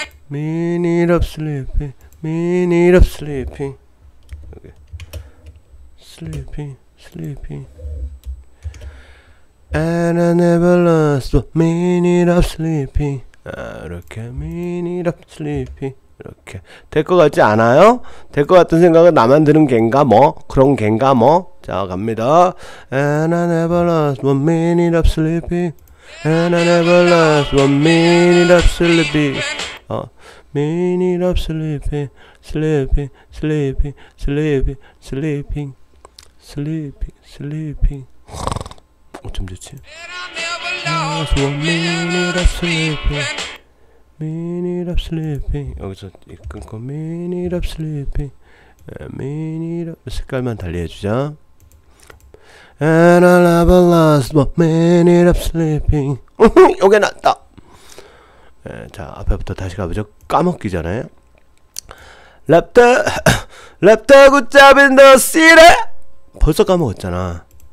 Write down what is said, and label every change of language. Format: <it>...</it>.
<en>Minute of sleeping, minute of sleeping, sleeping, sleeping. And I never lost a minute of sleeping.</en> <ko>이렇게</ko> <en>minute of sleeping</en> <ko>이렇게 될것 같지 않아요? 될것 같은 생각은 나만 드는 겐가 뭐 그런 겐가 뭐. 자, 갑니다.</ko> <en>And I never lost one minute of sleeping. And I never lost one minute of sleeping. Minute of sleeping, sleeping, sleeping, sleeping, sleeping, sleeping, sleeping.</en> <ko>어쩜 좋지?</ko> <en>Lost one minute of sleeping. Minute of sleeping.</en> <ko>여기서 끊고</ko> <en>minute of sleeping.</en> <ko>Minute of 색깔만 달리 해주자.</ko> <en>And I never lost one minute of sleeping.</en> <ko>요게 낫다. 예, 자, 앞에부터 다시 가보죠. 까먹기 전에.</ko> <en>랩터 굿잡 인더 시티.</en> <ko>벌써 까먹었잖아.</ko>